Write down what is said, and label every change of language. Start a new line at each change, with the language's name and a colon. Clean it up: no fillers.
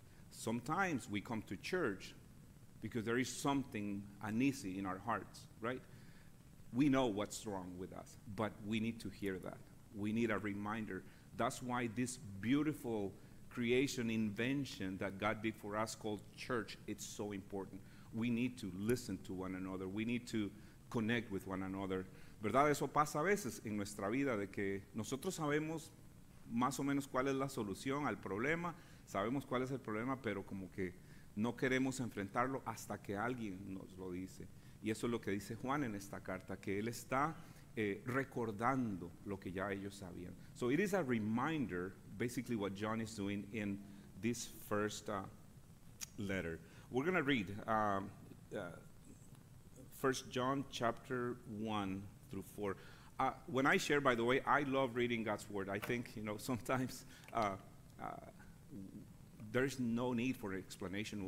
English: Sometimes we come to church because there is something uneasy in our hearts, right? We know what's wrong with us, but we need to hear that. We need a reminder. That's why this beautiful creation invention that God did for us called church, it's so important. We need to listen to one another. We need to connect with one another.
Spanish: ¿Verdad? Eso pasa a veces en nuestra vida, de que nosotros sabemos más o menos cuál es la solución al problema, sabemos cuál es el problema, pero como que no queremos enfrentarlo hasta que alguien nos lo dice. Y eso es lo que dice Juan en esta carta, que él está recordando lo que ya ellos sabían.
English: So it is a reminder, basically what John is doing in this first letter. We're going to read 1 John chapter 1 through 4. When I share, by the way, I love reading God's word. I think, you know, sometimes there's no need for explanation.